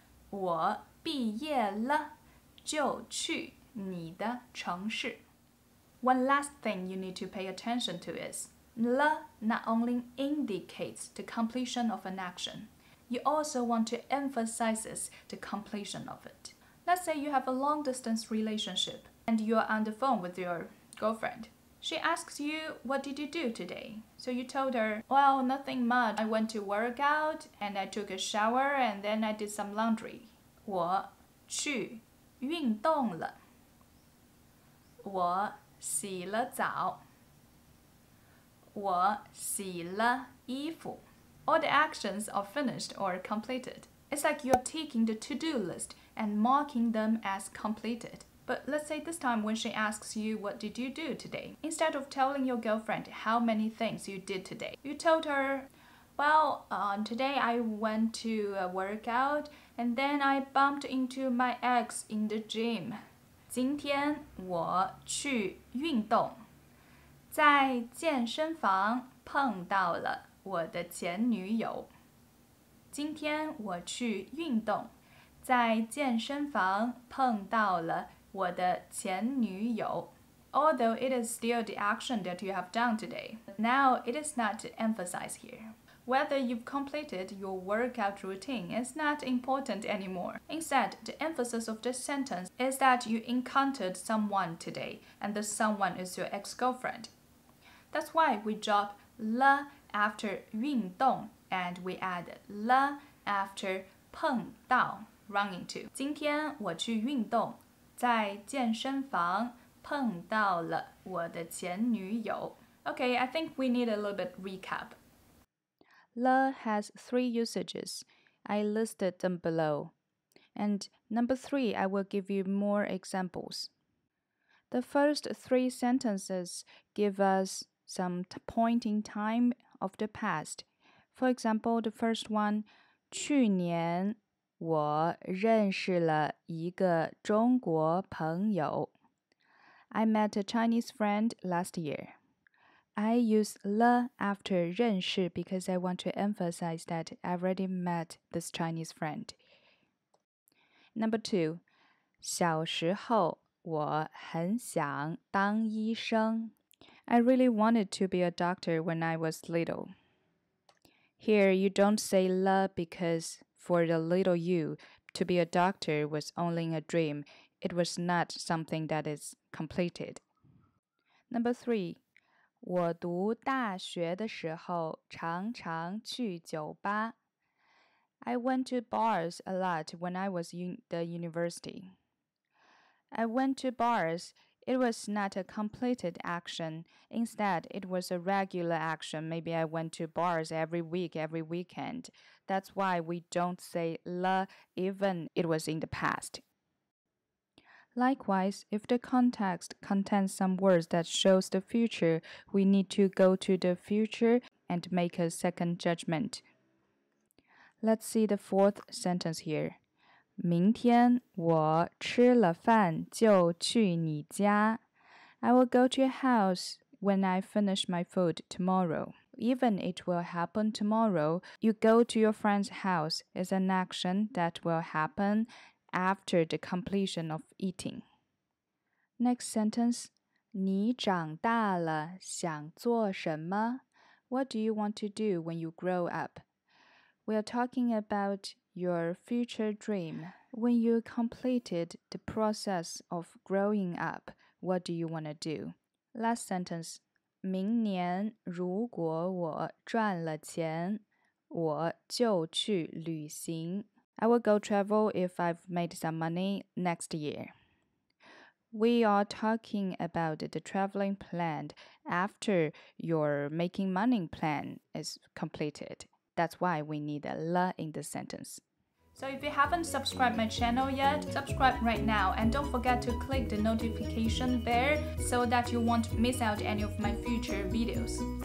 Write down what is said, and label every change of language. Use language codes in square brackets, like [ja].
[zh] 我毕业了就去你的城市。 [en] One last thing you need to pay attention to is 了 not only indicates the completion of an action, you also want to emphasize the completion of it. Let's say you have a long-distance relationship and you are on the phone with your girlfriend. She asks you, what did you do today? So you told her, well, nothing much. I went to work out and I took a shower and then I did some laundry. [zh] 我去运动了。我洗了澡。我洗了衣服。 [en] All the actions are finished or completed. It's like you're taking the to-do list and marking them as completed. But let's say this time when she asks you, what did you do today? Instead of telling your girlfriend how many things you did today, you told her, well, today I went to a workout and then I bumped into my ex in the gym. [zh] 今天我去运动，在健身房碰到了我的前女友。今天我去运动，在健身房碰到了我的前女友。 [en] Although it is still the action that you have done today, now it is not emphasized here. Whether you've completed your workout routine is not important anymore. Instead, the emphasis of this sentence is that you encountered someone today, and the someone is your ex-girlfriend. That's why we drop 了 after 运动, and we add 了 after 碰到, running to. [zh] 今天我去运动。在健身房碰到了我的前女友。 [en] Okay, I think we need a little bit recap. 了 has three usages. I listed them below. And number three, I will give you more examples. The first three sentences give us some point in time of the past. For example, the first one, [zh] 去年我认识了一个中国朋友。 [en] I met a Chinese friend last year. I use 了 after 认识 because I want to emphasize that I already met this Chinese friend. Number two, [zh] 小时候我很想当医生。 [en] I really wanted to be a doctor when I was little. Here, you don't say 了 because... For the little you, to be a doctor was only a dream. It was not something that is completed. Number three, [zh] 我读大学的时候常常去酒吧。 [en] I went to bars a lot when I was in the university. I went to bars. It was not a completed action. Instead, it was a regular action. Maybe I went to bars every week, every weekend. That's why we don't say 了 even it was in the past. Likewise, if the context contains some words that shows the future, we need to go to the future and make a second judgment. Let's see the fourth sentence here. [zh] 明天我吃了饭就去你家。 [en] I will go to your house when I finish my food tomorrow. even it will happen tomorrow. You go to your friend's house is an action that will happen after the completion of eating. Next sentence. [zh] 你长大了想做什么? [en] What do you want to do when you grow up? We are talking about your future dream. When you completed the process of growing up, what do you want to do? Last sentence. [zh] 明年如果我赚了钱,我就去旅行。 [en] I will go travel if I've made some money next year. We are talking about the traveling plan after your making money plan is completed. That's why we need a la in the sentence. So if you haven't subscribed my channel yet, subscribe right now and don't forget to click the notification bell so that you won't miss out any of my future videos.